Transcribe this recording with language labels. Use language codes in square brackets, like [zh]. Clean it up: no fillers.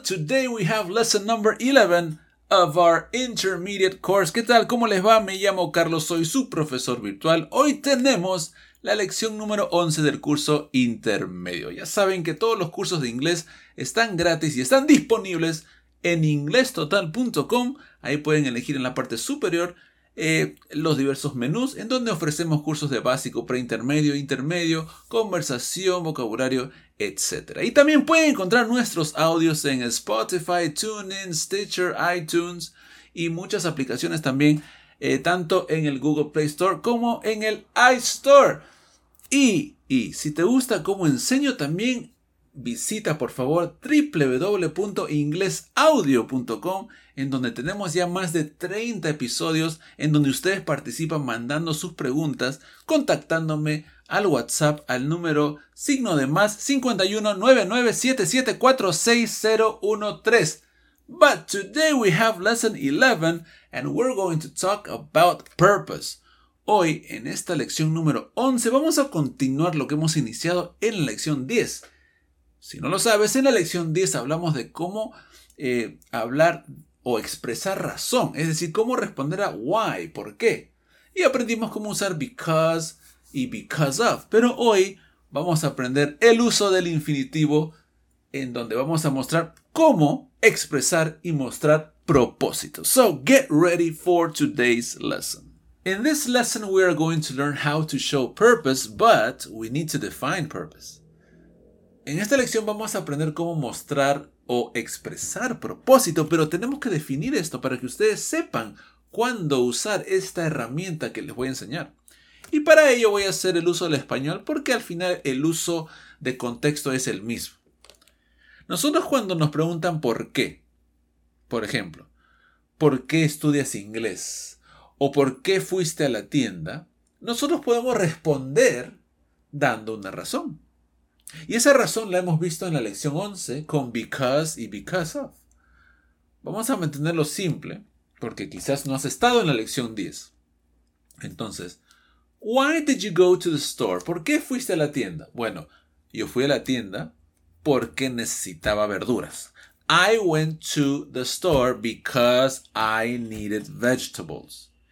[en] Today we have lesson number 11 of our intermediate course. [es] ¿Qué tal? ¿Cómo les va? Me llamo Carlos, soy su profesor virtual. Hoy tenemos la lección número 11 del curso intermedio. Ya saben que todos los cursos de inglés están gratis y están disponibles en inglestotal.com. Ahí pueden elegir en la parte superior los diversos menús en donde ofrecemos cursos de básico, preintermedio, intermedio, conversación, vocabulario, etc. Y también pueden encontrar nuestros audios en Spotify, TuneIn, Stitcher, iTunes y muchas aplicaciones también, tanto en el Google Play Store como en el iStore. Y si te gusta cómo enseño, también visita por favor www.inglesaudio.com, en donde tenemos ya más de 30 episodios en donde ustedes participan mandando sus preguntas, contactándome al WhatsApp al número signo de más 51 99 77 46 013. [en] But today we have lesson 11 and we're going to talk about purpose. [es] Hoy en esta lección número 11 vamos a continuar lo que hemos iniciado en la lección 10. Si no lo sabes, en la lección 10 hablamos de cómo hablar o expresar razón, es decir, cómo responder a why, por qué. Y aprendimos cómo usar because y because of. Pero hoy vamos a aprender el uso del infinitivo, en donde vamos a mostrar cómo expresar y mostrar propósito. [en] So, get ready for today's lesson. In this lesson, we are going to learn how to show purpose, but we need to define purpose. [es] En esta lección vamos a aprender cómo mostrar o expresar propósito, pero tenemos que definir esto para que ustedes sepan cuándo usar esta herramienta que les voy a enseñar. Y para ello voy a hacer el uso del español, porque al final el uso de contexto es el mismo. Nosotros cuando nos preguntan por qué, por ejemplo, ¿por qué estudias inglés? O ¿por qué fuiste a la tienda? Nosotros podemos responder dando una razón. Y esa razón la hemos visto en la lección 11 con because y because of. Vamos a mantenerlo simple porque quizás no has estado en la lección 10. Entonces, [en] why did you go to the store? [es] ¿Por qué fuiste a la tienda? Bueno, yo fui a la tienda porque necesitaba verduras. [en] I went to the store because I needed vegetables.